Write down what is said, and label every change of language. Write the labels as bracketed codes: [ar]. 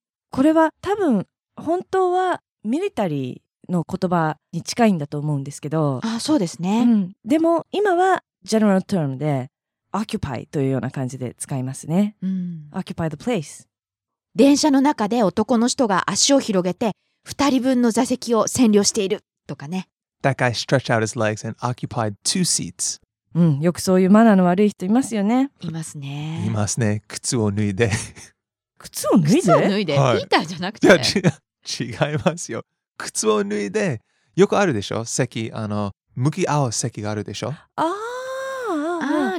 [ja] これは多分本当はミリタリーの言葉に近いんだと思うんですけど。あ、そうですね、うん、でも今は [en] general term [ja] でoccupy というような感じで使いますね、うん、 [en] occupy the place。 [ja] 電車の中で男の人が足を広げて2人分の座席を占領しているとかね。 [en] That guy stretched out his legs and occupied two seats。 [ja] うん、よくそういうマナーの悪い人いますよね。いますね。いますね。靴を脱いで靴を脱いで、靴を脱いで、はい、ピーターじゃなくて。いや、違いますよ。靴を脱いでよくあるでしょ、席、あの向き合う席があるでしょ。ああ